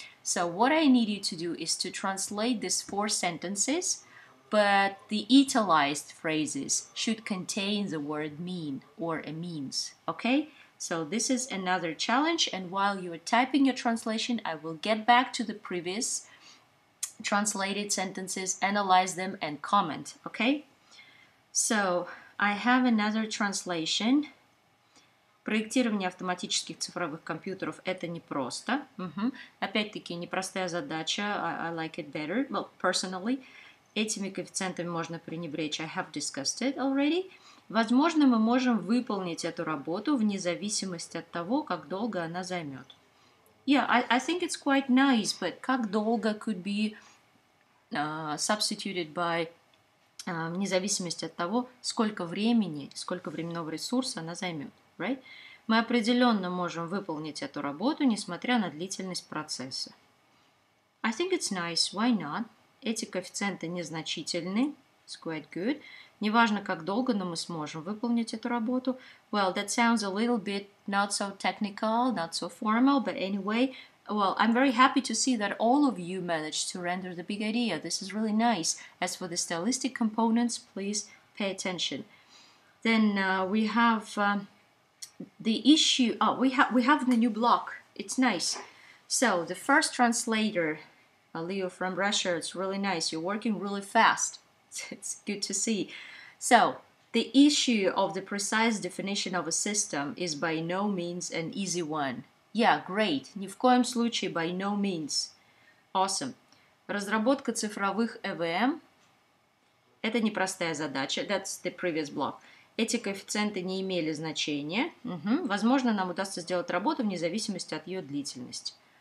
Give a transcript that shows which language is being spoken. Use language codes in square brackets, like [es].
[en] So, what I need you to do is to translate these four sentences, but the italized phrases should contain the word mean or a means, okay? So this is another challenge, and while you are typing your translation, I will get back to the previous translated sentences, analyze them, and comment, okay? So I have another translation. [ru] Проектирование автоматических цифровых компьютеров – это непросто. Опять-таки, непростая задача. [en] I like it better. Well, personally, [ru] этими коэффициентами можно пренебречь. [en] I have discussed it already. [ru] Возможно, мы можем выполнить эту работу вне зависимости от того, как долго она займет. [en] Yeah, I think it's quite nice, but как долго could be substituted by [ru] вне зависимости от того, сколько времени, сколько временного ресурса она займет. [en] Right? [ru] Мы определенно можем выполнить эту работу, несмотря на длительность процесса. [en] I think it's nice. Why not? [ru] Эти коэффициенты незначительны. [en] It's quite good. [ru] Неважно, как долго, но мы сможем выполнить эту работу. [en] Well, that sounds a little bit not so technical, not so formal, but anyway, well, I'm very happy to see that all of you managed to render the big idea. This is really nice. As for the stylistic components, please pay attention. Then we have the issue. Oh, we have the new block. It's nice. So the first translator, Leo from Russia, it's really nice. You're working really fast. It's good to see. So, the issue of the precise definition of a system is by no means an easy one. Yeah, great. [ru] Ни в коем случае, [en] by no means. Awesome. [ru] Разработка цифровых ЭВМ – это непростая задача. [en] That's the previous block. [ru] Эти коэффициенты не имели значения. Возможно, нам удастся сделать работу вне зависимости от ее длительности.